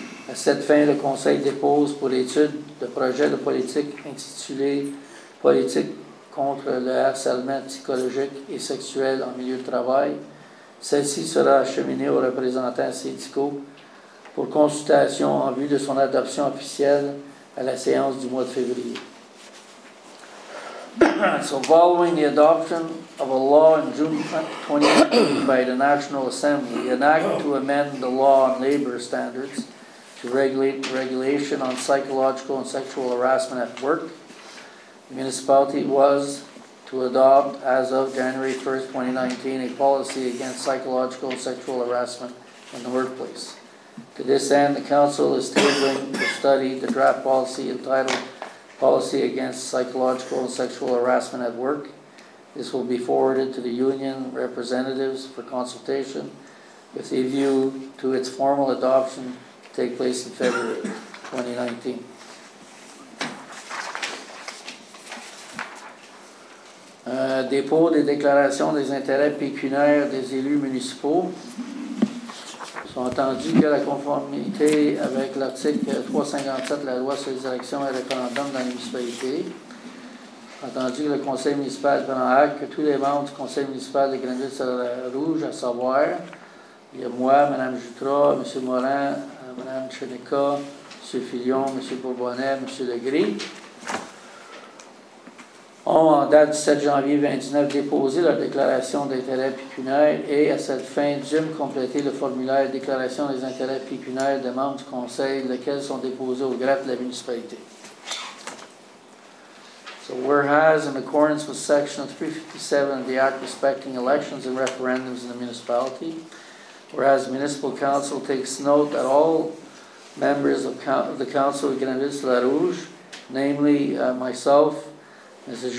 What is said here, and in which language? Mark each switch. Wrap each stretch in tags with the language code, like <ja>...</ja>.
<fr>À cette fin, le Conseil dépose pour étude le projet de politique intitulé « Politique contre le harcèlement psychologique et sexuel en milieu de travail ». Celle-ci sera acheminée aux représentants syndicaux pour consultation en vue de son adoption officielle à la séance du mois de février.</fr> <en>So following the adoption of a law in June 2018 by the National Assembly, an act to amend the law on labor standards to regulate regulation on psychological and sexual harassment at work, the municipality was to adopt, as of January 1st, 2019, a policy against psychological and sexual harassment in the workplace. To this end, the council is tabling to study the draft policy entitled Policy Against Psychological and Sexual Harassment at Work. This will be forwarded to the union representatives for consultation with a view to its formal adoption to take place in February 2019.</en> <fr>Dépôt des déclarations des intérêts pécuniaires des élus municipaux. Sont entendus que la conformité avec l'article 357 de la loi sur les élections et référendum dans les municipalités. Entendu que le conseil municipal de prend acte que tous les membres du conseil municipal de Grenville-sur-la-Rouge, à savoir, il y a moi, Mme Jutras, M. Morin, Mme Cheneca, M. Fillon, M. Bourbonnet, M. Legris, ont, en date du 7 janvier 2019, déposé leur déclaration d'intérêt pécuniaire et, à cette fin, Jim complété le formulaire de déclaration des intérêts pécuniaires des membres du conseil, lesquels sont déposés au greffe de la municipalité.</fr> <en>So, whereas, in accordance with Section 357 of the Act respecting elections and referendums in the municipality, whereas the Municipal Council takes note that all members of the Council of Grenville-sur-la-Rouge, namely myself, Mrs.</en>